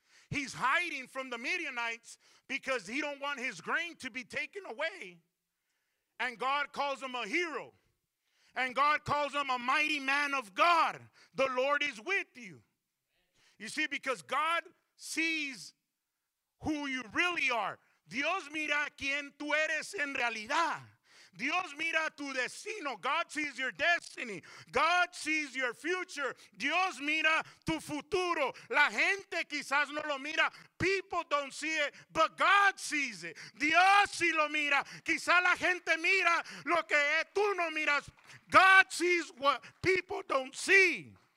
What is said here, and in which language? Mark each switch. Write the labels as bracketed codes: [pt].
[en] He's hiding from the Midianites because he don't want his grain to be taken away. And God calls him a hero. And God calls him a mighty man of God. The Lord is with you. You see, because God sees who you really are. [es] Dios mira quién tú eres en realidad. Dios mira tu destino. [en] God sees your destiny. God sees your future. [es] Dios mira tu futuro. La gente quizás no lo mira. [en] People don't see it, but God sees it. [es] Dios sí lo mira. Quizás la gente mira lo que tú no miras. [en] God sees what people don't see.